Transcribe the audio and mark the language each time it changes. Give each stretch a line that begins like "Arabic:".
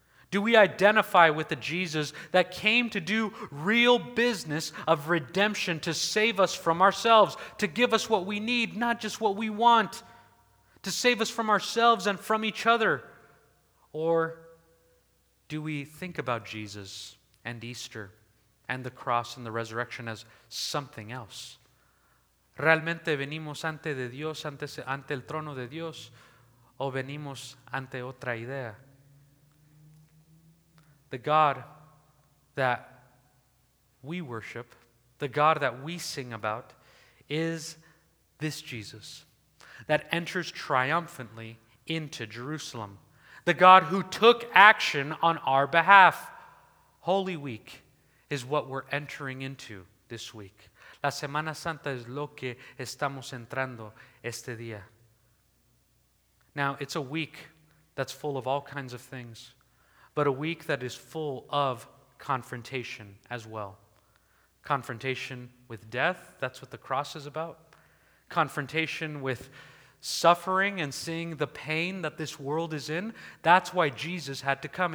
English: Do we identify with the Jesus that came to do real business of redemption, to save us from ourselves, to give us what we need, not just what we want, to save us from ourselves and from each other? Or do we think about Jesus and Easter and the cross and the resurrection as something else?
Spanish: ¿Realmente venimos ante de Dios, ante el trono de Dios, o venimos ante otra idea?
English: The God that we worship, the God that we sing about, is this Jesus that enters triumphantly into Jerusalem. The God who took action on our behalf. Holy Week is what we're entering into this week.
Spanish: La Semana Santa es lo que estamos entrando este día.
English: Now, it's a week that's full of all kinds of things, but a week that is full of confrontation as well. Confrontation with death, that's what the cross is about. Confrontation with suffering and seeing the pain that this world is in, that's why Jesus had to come.